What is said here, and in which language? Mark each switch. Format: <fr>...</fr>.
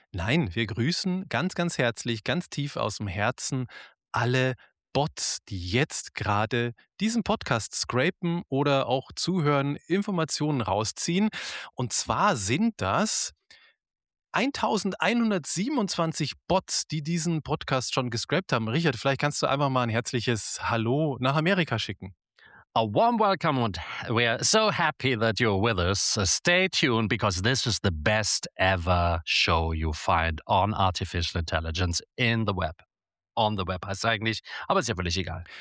<de>Nein, wir grüßen ganz, ganz herzlich, ganz tief aus dem Herzen alle Bots, die jetzt gerade diesen Podcast scrapen oder auch zuhören, Informationen rausziehen. Und zwar sind das 1127 Bots, die diesen Podcast schon gescrapt haben. Richard, vielleicht kannst du einfach mal ein herzliches Hallo nach Amerika schicken.</de> <en>A warm welcome and we are so happy that you're with us. Stay tuned because this is the best ever show you find on artificial intelligence in the web. On the web</en> <de>heißt eigentlich, aber ist ja völlig egal.</de>